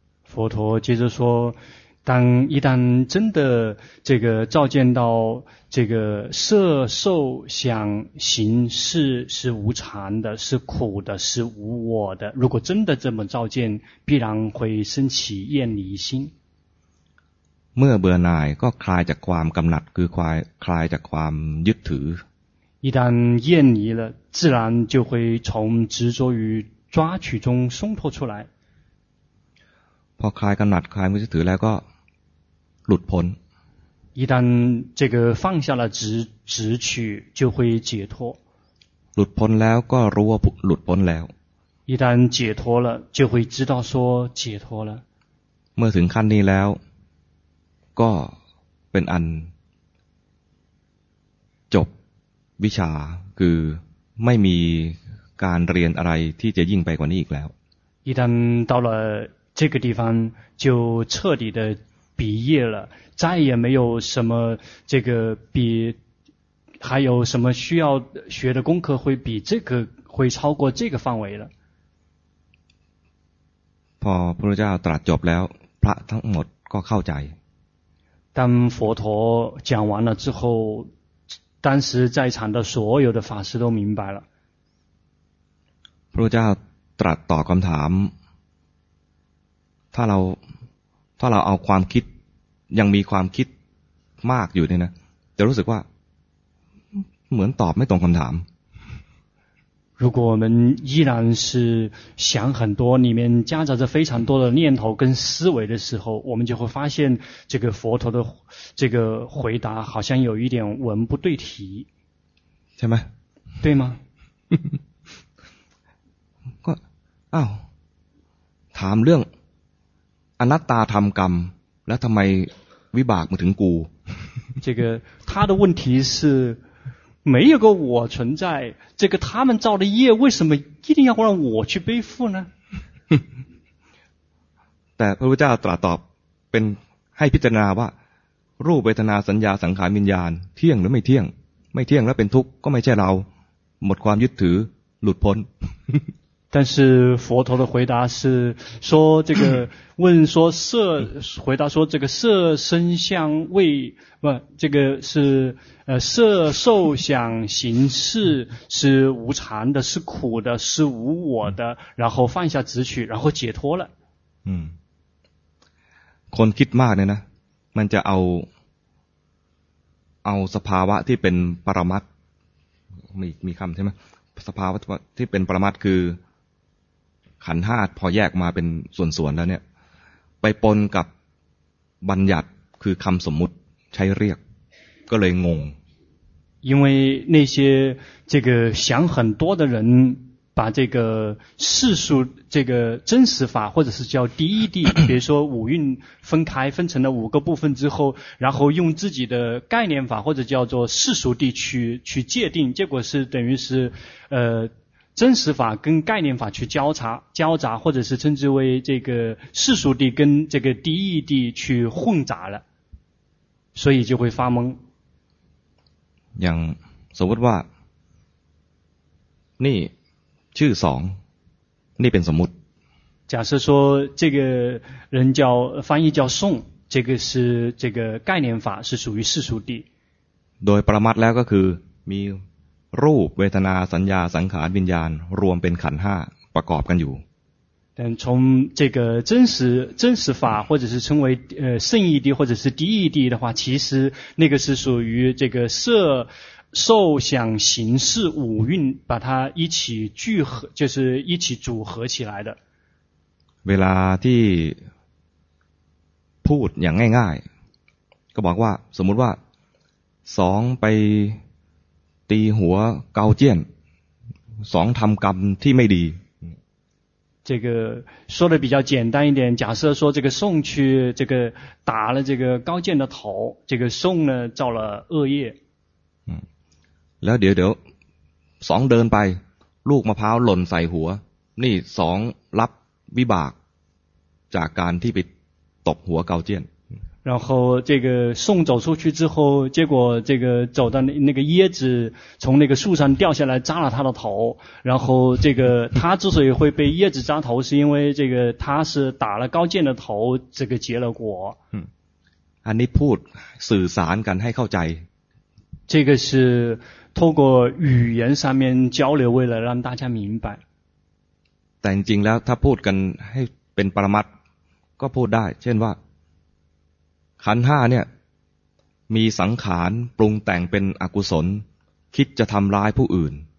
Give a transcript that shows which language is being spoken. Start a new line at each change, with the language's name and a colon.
Chinese: 佛陀接着说当一旦真的这个照见到这个色受想行识是无常的是苦的是无我的如果真的这么照见必然会升起厌离心
Thai: เมื่อเบื่อหน่ายก็คลายจากความกำหนัดคือคลายจากความยึดถือ
Chinese: 一旦厌离了自然就会从执着于抓取中松脱出来
Thai: พอคลายกำหนัดคลายยึดถือแล้วก็หลุดพ้น
Chinese: 一旦这个放下了执取就会解脱
Thai: หลุดพ้นแล้วก็รู้ว่าหลุดพ้นแล้ว
Chinese: 一旦解脱了就会知道说解脱了
Thai: เมื่อถึงขั้นนี้แล้วก็เป็นอันจบวิชาคือไม่มีการเรียนอะไรที่จะยิ่งไปกว่านี้อีกแล้ว
Chinese: 一旦到了这个地方就彻底的毕业了再也没有什么这个比还有什么需要学的功课会比这个会超过这个范围了
Thai: พอพระเจ้าตรัสจบแล้วพระทั้งหมดก็เข้าใจ
Chinese: 当佛陀讲完了之后当时在场的所有的法师都明白了
Thai: พระเจ้าตรัสตอบคำถามถ้าเราเอาความคิดยังมีความคิดมากอยู่เนี่ยนะจะรู้สึกว่าเหมือนตอบไม่ตรงคำถาม
Chinese: 如果我们依然是想很多里面夹杂着非常多的念头跟思维的时候我们就会发现这个佛陀的这个回答好像有一点文不对题对吗对吗
Thai: ก็อ้าวถามเรื่องอนัตตาทำกรรมแล้วทำไมวิบากมาถึงกู
Chinese: 这个他的问题是没有个我存在这个他们造的业为什么一定要让我去背负呢
Thai: แต่พระพุทธเจ้าตรัสตอบเป็นให้พิจารณาว่ารูปเวทนาสัญญาสังขารวิญญาณเที่ยงหรือไม่เที่ยงไม่เที่ยงแล้วเป็นทุกข์ก็ไม่ใช่เราหมดความยึดถือหลุดพ้น
Chinese: 但是佛陀的回答是说这个问说色回答说这个色声香味不这个是色受想行识是无常的是苦的是无我的然后放下执取然后解脱了
Thai: 嗯คนคิดมากเนี่ยนะมันจะเอาสภาวะที่เป็นปรมัตถ์มีคำใช่ไหมสภาวะที่เป็นปรมัตถ์คือขันธ์ 5พอแยกมาเป็นส่วนๆแล้วเนี่ยไปปนกับบัญญัติคือคำสมมุติใช้เรียกก็เลยงง
Chinese: 因为那些这个想很多的人把这个世俗这个真实法或者是叫第一谛比如说五蕴分开分成了五个部分之后然后用自己的概念法或者叫做世俗谛去界定结果是等于是真实法跟概念法去交杂或者是称之为这个世俗地跟这个第一地去混杂了所以就会发懵
Thai: อย่างสมมติว่า นี่ชื่อสองนี่เป็นสมมุติ
Chinese: 假设说这个人叫翻译叫宋这个是这个概念法是属于世俗地
Thai: โดยปรมัตถ์แล้วก็คือมีรูปเวทนาสัญญาสังขารวิญญาณรวมเป็นขันธ์ห้าประกอบกันอยู่
Chinese: 但从这个真实法或者是称为圣义谛或者是第一谛的话其实那个是属于这个色受想行识五蕴把它一起聚合就是一起组合起来的
Thai: เวลาที่พูดอย่างง่ายๆก็บอกว่าสมมุติว่าสองไปตีหัวเกาเจียนสองทำกรรมที่ไม่ดี
Chinese: 这个说的比较简单一点，假设说这个宋去这个打了这个高见的头，这个宋呢造了恶业。
Thai: 嗯，แล้วเดี๋ยว2เดินไปลูกมะพร้าวหล่นใส่หัวนี่2รับวิบากจากการที่ไปตบหัวเกาเจียน
Chinese: 然后这个宋走出去之后，结果这个走到那个椰子从那个树上掉下来扎了他的头，然后这个他之所以会被椰子扎头，是因为这个他是打了高见的头，这个结了果。
Thai: 嗯，安尼พูดสื่อสารกันให้เข้าใจ。
Chinese: 这个是透过语言上面交流，为了让大家明白。
Thai: 但จริงแล้วถ้าพูดกันให้เป็นปรมัตถ์ก็พูดได้เช่นว่าขันห้าเนี่ยมีสังขารปรุงแต่งเป็นอกุศลคิดจะทำร้ายผู้อื่น